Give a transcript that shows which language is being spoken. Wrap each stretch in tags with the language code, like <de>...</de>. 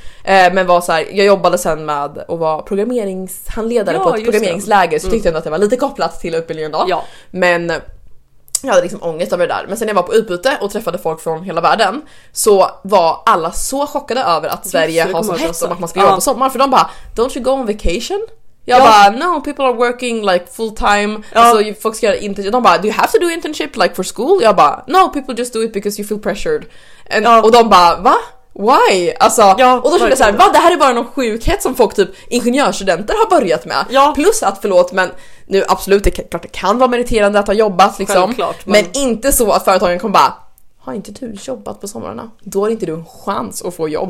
<sv>Men var så här, jag jobbade sen med att vara programmeringshandledare på ett programmeringsläger. Så tyckte jag ändå att det var lite kopplat till utbildningen då. Ja. Men jag hade liksom ångest över det där. Men sen när jag var på utbyte och träffade folk från hela världen, så var alla så chockade över att Sverige har så hett om att man ska jobba på sommar. För de bara,</sv> <en>don't you go on vacation?</en> <sv>Jag bara,</sv> <en>no, people are working like full time.</en> <sv>Alltså folk ska göra internship. De bara,</sv> <en>do you have to do internship like for school?</en> <sv>Jag bara,</sv> <en>no, people just do it because you feel pressured.</en> <sv>Och de bara, va?</sv> <en>Why?</en> <sv>Alltså, och då kände jag såhär, va? Det här är bara någon sjukhet som folk, typ ingenjörsstudenter, har börjat med. Ja. Plus att, förlåt, men nu absolut, det klart det kan vara meriterande att ha jobbat liksom. Självklart, men inte så att företagen kommer bara, har inte du jobbat på somrarna? Då har inte du en chans att få jobb.</sv>